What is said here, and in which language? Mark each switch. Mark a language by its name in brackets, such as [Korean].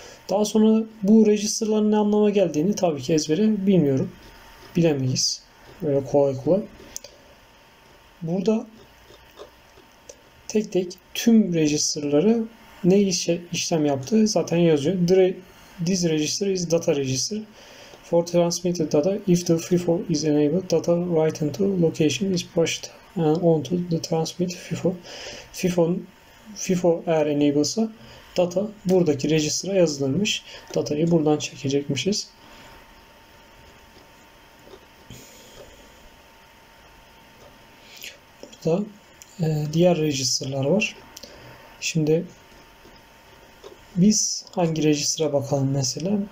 [Turkish] Daha sonra bu register'ların ne anlama geldiğini tabii ki ezbere bilmiyorum. Bilemeyiz. Böyle kolay kolay. Burada tek tek tüm register'ları ne işlem yaptığı zaten yazıyor. [English] This register is data register. For transmitted data, if the FIFO is enabled, data written to location is pushed onto the transmit FIFO. [Turkish] FIFO eğer enable ise data buradaki register'a yazılırmış. Datayı buradan çekecekmişiz. Burada diğer register'lar var. Şimdi biz hangi register'a bakalım mesela?